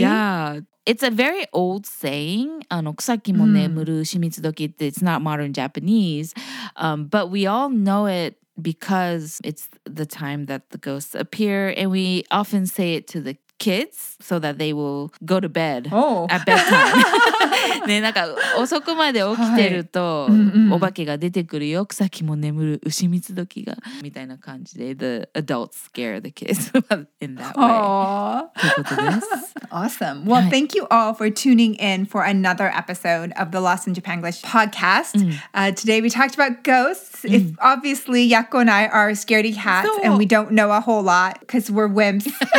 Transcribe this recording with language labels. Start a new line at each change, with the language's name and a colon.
English: Yeah. It's a very old saying.
Japanese: 草木も眠る牛蜜時って
English: It's not modern Japanese. But we all know it because it's the time that the ghosts appear. And we often say it to the kids so that they will go to bed. Oh. At bedtime.
Japanese: ね、なんか遅くまで起きてると、はい、お化けが出てくるよ。草木も眠る牛蜜時が。みたいな感じで。
English: The adults scare the kids in that way. Awesome. Well,、はい、thank you all for tuning in for another episode of the Lost in Japanglish podcast.、Today we talked about ghosts.、If obviously, Yako and I are scaredy cats and we don't know a whole lot because we're wimps.